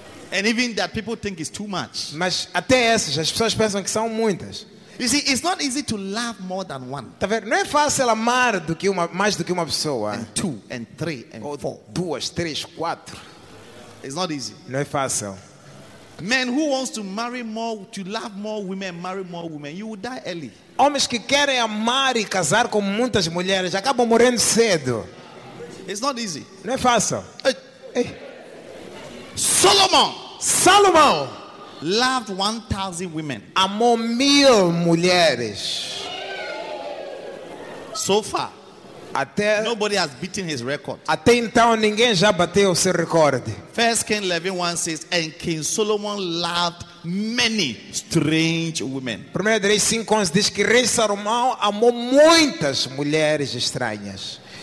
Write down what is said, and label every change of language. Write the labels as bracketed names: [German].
[English] And even that people think is too much. [Portuguese] Mas até essas as pessoas pensam que são muitas. [English] You see, it's not easy to love more than one. [Portuguese] Tá vendo? Não é fácil amar do que uma, mais do que uma pessoa. [English] And two, and three, and [Portuguese] ou [English] four. [Portuguese] Duas, três, quatro. [English] It's not easy. [Portuguese] Não é fácil. [English] Men who wants to marry more, to love more women, marry more women, you will die early. [Portuguese] Homens que querem amar e casar com muitas mulheres acabam morrendo cedo. [English] It's not easy. [Portuguese] Não é fácil. [English] Solomon. [Portuguese] Salomão. [English] Loved 1,000 women. [Portuguese] Amou mil mulheres. [English] So far, [Portuguese] até [English] nobody has beaten his record. [Portuguese] Até então ninguém já bateu seu recorde. [English] 1 Kings 11:1 says, and King Solomon loved many strange women. [Portuguese] 1 Reis 5:11 diz que Rei Salomão amou muitas mulheres estranhas,